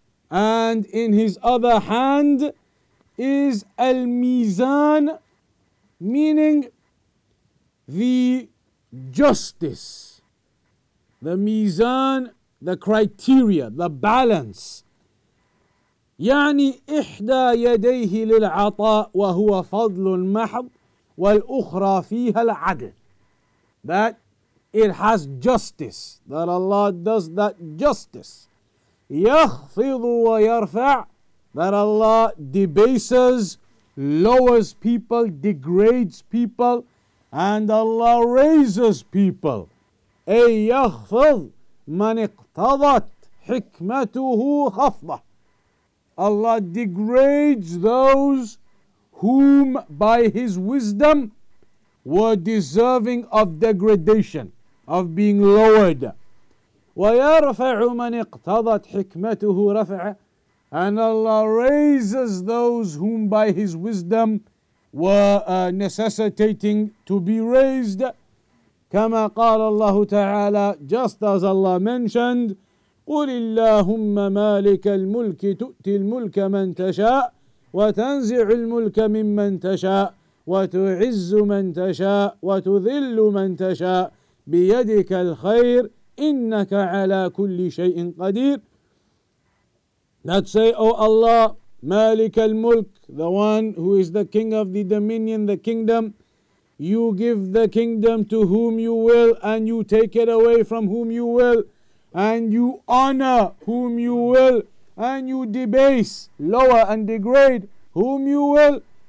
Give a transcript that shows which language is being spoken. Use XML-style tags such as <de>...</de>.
<en>And in his other hand is al-mizan, meaning the justice, the mizan, the criteria, the balance.</en> <ar>يعني إحدى يديه للعطاء وهو فضل محض والأخرى فيها العدل.</ar> <en>That it has justice, that Allah does that justice.</en> <ar>يخفض ويرفع,</ar> <en>that Allah debases, lowers people, degrades people, and Allah raises people.</en> <ar>أي يخفض من اقتضت حكمته خفضة.</ar> <en>Allah degrades those whom by His wisdom were deserving of degradation, of being lowered.</en> <ar>وَيَرْفَعُ مَنِ اقْتَضَتْ حِكْمَتُهُ رَفْعَ.</ar> <en>And Allah raises those whom by His wisdom were necessitating to be raised.</en> <ar>كَمَا قَالَ اللَّهُ تَعَالَى.</ar> <en>Just as Allah mentioned,</en> <ar>قل اللهم مالك الملك تؤتي الملك من تشاء وتنزع الملك ممن تشاء وتعز من تشاء وتذل من تشاء بيدك الخير إنك على كل شيء قدير.</ar> <en>Let's say, O Allah,</en> <ar>مالك الملك,</ar> <en>the one who is the king of the dominion, the kingdom. You give the kingdom to whom you will, and you take it away from whom you will. And you honor whom you will, and you debase, lower and degrade whom you will.</en>